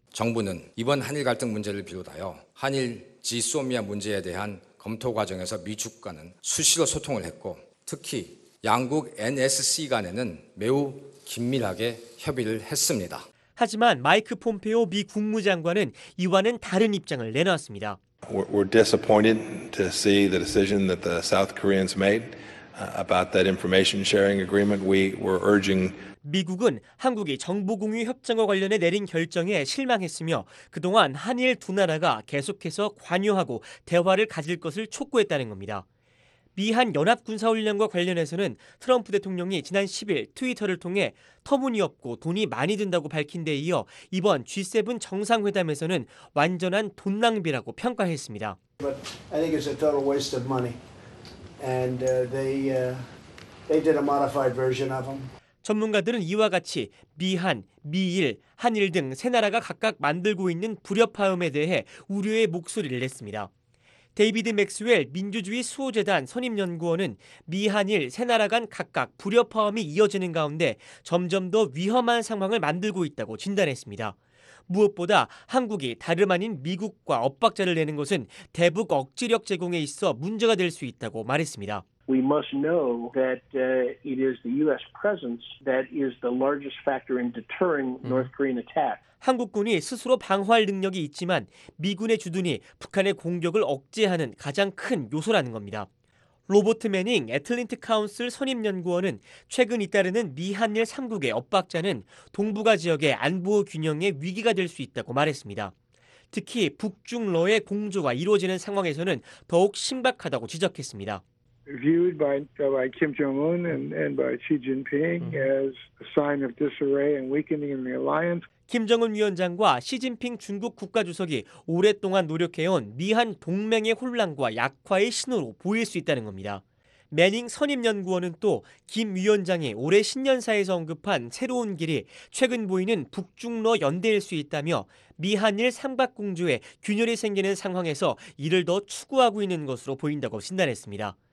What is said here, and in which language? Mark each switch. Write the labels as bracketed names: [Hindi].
[Korean] 정부는 이번 한일 갈등 문제를 비롯하여 한일 지소미아 문제에 대한 검토 과정에서 미국과는 수시로 소통을 했고 특히 양국 NSC 간에는 매우 긴밀하게 협의를 했습니다. 하지만 마이크 폼페오 미 국무장관은 이와는 다른 입장을 내놨습니다. [English] We're disappointed to see the decision that the South Koreans made about that information sharing agreement. We were urging [Korean] 미국은 한국이 정보 공유 협정과 관련해 내린 결정에 실망했으며 그동안 한일 두 나라가 계속해서 관여하고 대화를 가질 것을 촉구했다는 겁니다. 미한 연합군사훈련과 관련해서는 트럼프 대통령이 지난 10일 트위터를 통해 터무니없고 돈이 많이 든다고 밝힌 데 이어 이번 G7 정상회담에서는 완전한 돈 낭비라고 평가했습니다. [English] But I think it's a total waste of money. And they did a modified version of them. [Korean] 전문가들은 이와 같이 미한, 미일, 한일 등 세 나라가 각각 만들고 있는 불협화음에 대해 우려의 목소리를 냈습니다. 데이비드 맥스웰 민주주의 수호재단 선임연구원은 미한일 세 나라 간 각각 불협화음이 이어지는 가운데 점점 더 위험한 상황을 만들고 있다고 진단했습니다. 무엇보다 한국이 다름 아닌 미국과 엇박자를 내는 것은 대북 억지력 제공에 있어 문제가 될 수 있다고 말했습니다. [English] We must know that it is the U.S. presence that is the largest factor in deterring North Korean attack. [Korean] 한국군이 스스로 방어할 능력이 있지만 미군의 주둔이 북한의 공격을 억제하는 가장 큰 요소라는 겁니다. 로버트 매닝 애틀랜틱 카운슬 선임연구원은 최근 잇따르는 미한일 3국의 엇박자는 동북아 지역의 안보 균형에 위기가 될 수 있다고 말했습니다. 특히 북중러의 공조가 이루어지는 상황에서는 더욱 심각하다고 지적했습니다. [English] Viewed by Kim Jong-un and by Xi Jinping as a sign of disarray and weakening in the alliance. [Korean] 김정은 위원장과 시진핑 중국 국가주석이 오랫동안 노력해온 미한 동맹의 혼란과 약화의 신호로 보일 수 있다는 겁니다. 매닝 선임연구원은 또 김 위원장이 올해 신년사에서 언급한 새로운 길이 최근 보이는 북중러 연대일 수 있다며 미한일 삼각공조에 균열이 생기는 상황에서 이를 더 추구하고 있는 것으로 보인다고 진단했습니다.